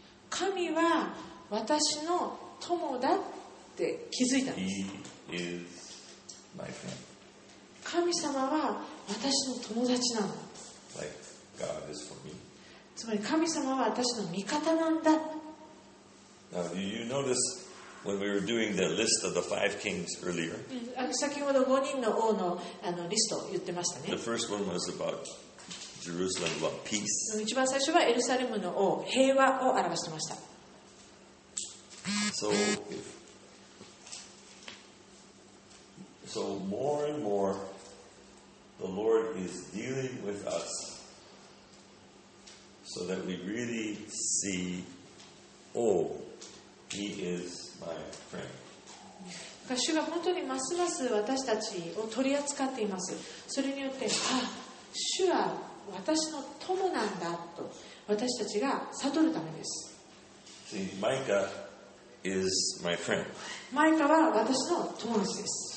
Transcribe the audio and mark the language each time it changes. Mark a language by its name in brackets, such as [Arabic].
[Japanese] 神は私の友だって気づいたんです。 [English] He is my friend. [Japanese] 神様は私の友達なの。 [English] Like God is for me. [Japanese] つまり神様は私の味方なんだ。 [English] Now, do you notice when we were doing the list of the five kings earlier? [Japanese] 先ほど5人の王の、あのリストを言ってましたね。 [English] The first one was about Jerusalem, about peace. [Japanese] 一番最初はエルサレムの王、平和を表してました。 [English] So more and more, the Lord is dealing with us so that we really see, oh,He is my friend. [Japanese] 主が本当にますます私たちを取り扱っています。それによって、ああ、主は私の友なんだと私たちが悟るためです。 [English] See, Micah is my friend. [Japanese] マイカは私の友達です。